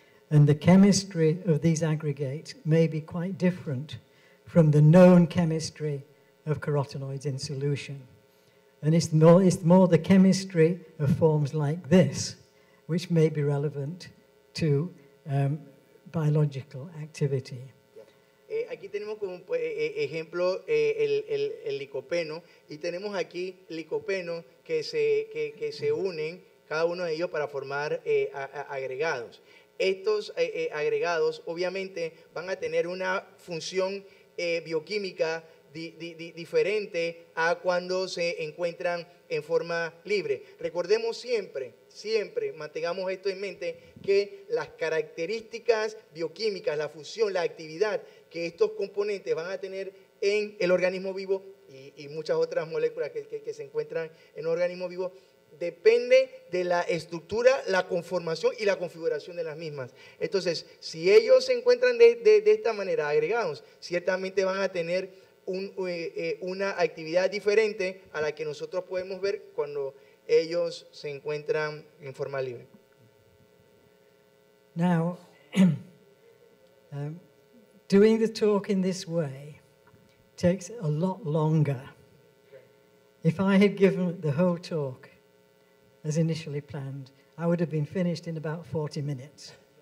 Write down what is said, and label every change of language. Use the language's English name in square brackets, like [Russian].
[English] And the chemistry of these aggregates may be quite different from the known chemistry of carotenoids in solution. And it's more the chemistry of forms like this which may be relevant to biological activity. [Spanish] Aquí tenemos como ejemplo el licopeno, y tenemos aquí licopenos que se unen, cada uno de ellos, para formar agregados. Estos agregados, obviamente, van a tener una función bioquímica diferente a cuando se encuentran en forma libre. Recordemos siempre, siempre mantengamos esto en mente, que las características bioquímicas, la fusión, la actividad que estos componentes van a tener en el organismo vivo y muchas otras moléculas que se encuentran en un organismo vivo, depende de la estructura, la conformación y la configuración de las mismas. Entonces, si ellos se encuentran de esta manera agregados, ciertamente van a tener una actividad diferente a la que nosotros podemos ver cuando ellos se encuentran en forma libre. [English] Now, doing the talk in this way takes a lot longer. If I had given the whole talk as initially planned, I would have been finished in about 40 minutes.